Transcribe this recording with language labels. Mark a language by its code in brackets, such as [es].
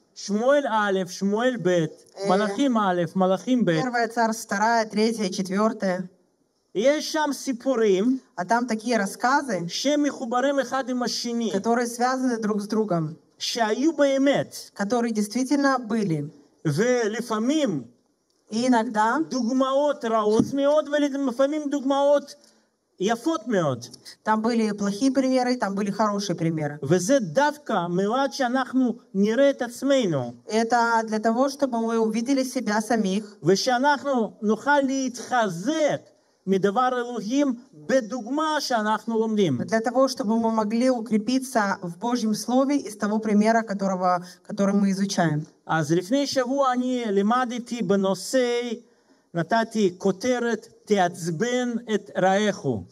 [ru] Шмуэль алеф, Шмуэль бет, Малахим алеф, Малахим бет. Первая царь, вторая, третья, четвертая. Есть там сипурим, а там такие рассказы, которые связаны друг с другом, [he] באמת, [ru] которые действительно были. [he] ולפעמים, [ru] и иногда [he] דוגמאות רעות מאוד, ולפעמים דוגמאות יפות מאוד. [ru] Там были плохие примеры, там были хорошие примеры. [he] וזה דווקא מלאד שאנחנו נראה את עצמנו. [ru] Это для того, чтобы мы увидели себя самих. [he] ושאנחנו נוכל להתחזק. מדבר אלוהים בדוגמה שאנחנו לומדים. [ru] Для того, чтобы мы могли укрепиться в Божьем слове из того примера, который мы изучаем. [he] אז לפני שבוע אני למדתי בנושא, נתתי כותרת תעצבן את רעך.